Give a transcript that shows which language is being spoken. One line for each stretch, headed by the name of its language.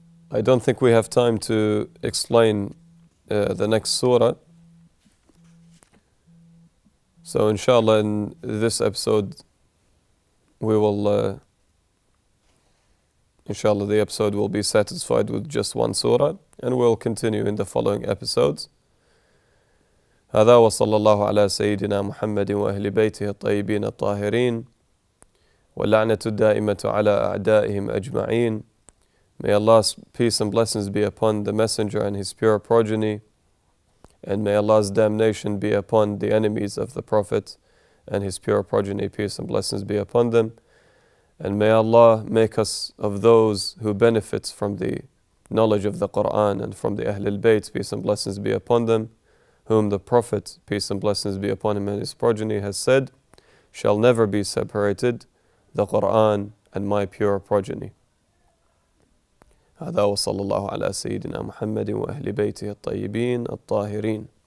English: I don't think we have time to explain the next surah. So inshallah, in this episode, we will... Inshallah, the episode will be satisfied with just one surah, and we'll continue in the following episodes.
Arabic: هذا وصلى الله على سيدنا محمد وأهل بيته الطيبين الطاهرين واللعنة الدائمة على أعدائهم أجمعين.
English: May Allah's peace and blessings be upon the messenger and his pure progeny, and may Allah's damnation be upon the enemies of the Prophet and his pure progeny, peace and blessings be upon them. And may Allah make us of those who benefit from the knowledge of the Qur'an and from the Ahlul Bayt, peace and blessings be upon them, whom the Prophet, peace and blessings be upon him and his progeny, has said, shall never be separated, the Qur'an and my pure progeny.
Arabic: هذا وصلى الله على سيدنا محمد وأهل بيته الطيبين الطاهرين.